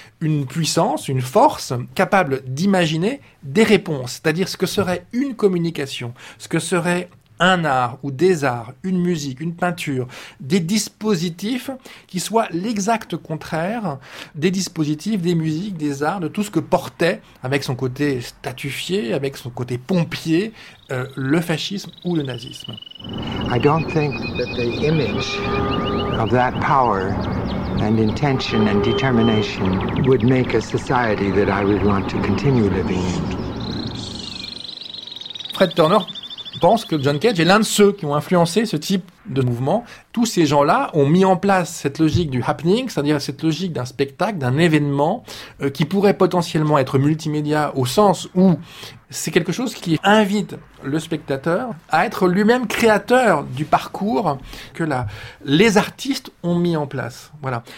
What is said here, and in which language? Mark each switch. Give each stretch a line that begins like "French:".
French: une puissance, une force capable d'imaginer des réponses, c'est-à-dire ce que serait une communication, ce que serait un art ou des arts, une musique, une peinture, des dispositifs qui soient l'exact contraire des dispositifs, des musiques, des arts, de tout ce que portait, avec son côté statufié, avec son côté pompier, le fascisme ou le nazisme.
English: I don't think that the image of that power and intention and determination would make a society that I would want to continue living in.
French: Fred Turner pense que John Cage est l'un de ceux qui ont influencé ce type de mouvement. Tous ces gens-là ont mis en place cette logique du happening, c'est-à-dire cette logique d'un spectacle, d'un événement qui pourrait potentiellement être multimédia au sens où c'est quelque chose qui invite le spectateur à être lui-même créateur du parcours que les artistes ont mis en place. Voilà.